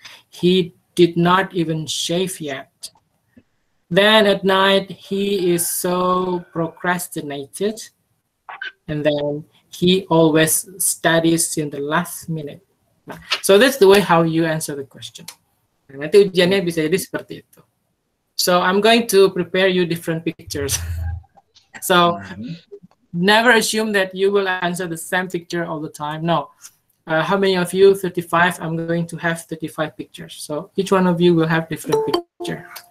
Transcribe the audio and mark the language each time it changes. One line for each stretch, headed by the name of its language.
English: He did not even shave yet. Then at night, he is so procrastinated, and then he always studies in the last minute. Nah, so that's the way how you answer the question.
Indonesian: Nanti ujiannya bisa jadi seperti itu.
English: So I'm going to prepare you different pictures. So never assume that you will answer the same picture all the time. No. How many of you? 35. I'm going to have 35 pictures. So each one of you will have different picture.